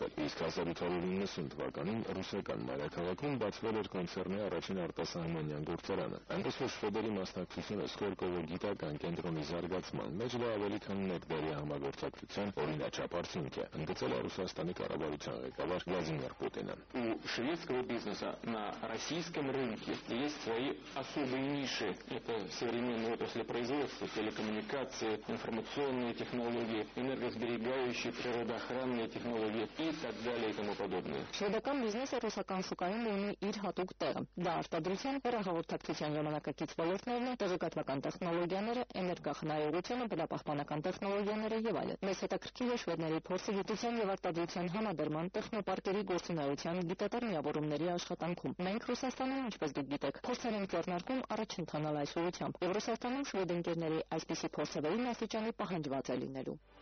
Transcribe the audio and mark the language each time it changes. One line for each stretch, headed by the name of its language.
Armenian: Իսկ 1990 թվականին ռուսական մայրաքաղաքում բացվել էր կոնցերնի առաջին արտասահմանյան գործարանը։ Այնպես որ Շվեդերի մասնակցությունը Սկոլկովո գիտական կենտրոնի զարգացման մեջ դա ավելի քան ներդերի համագործակցության օրինաչափ արդյունք է, ընդգծել է Ռուսաստանի կառավարության ղեկավար Վլադիմիր Պուտինը։
Russian: У шведского бизнеса на российском рынке есть свои особые ниши. Это современные отрасли производства, телекоммуникации, информационные технологии, энергосберегающие, природоохранные технологии.
Armenian: Շվեդական բիզնեսը ռուսական շուկայում ունի իր հատուկ տեղը։ Դա արտադրության հեռահաղորդակցության ժամանակակից ոլորտներն են՝ տեղեկատվական տեխնոլոգիաները, էներգախնայողությունը, բնապահպանական տեխնոլոգիաները եւ այլն։ Մեզ հետաքրքիր է շվեդների փորձը գիտության եւ արտադրության համադրման տեխնոպարկերի գործունեության դիտատեր միավորումների աշխատանքում։ Մենք Ռուսաստանում, ինչպես դուք գիտեք, փորձեր ենք ձեռնարկում առաջ ընթանալ այս ուղությամբ։ Եվ Ռուսաստանում շվեդ ընկերների այսպիսի փորձերին աստիճանի պահանջված է լինելու։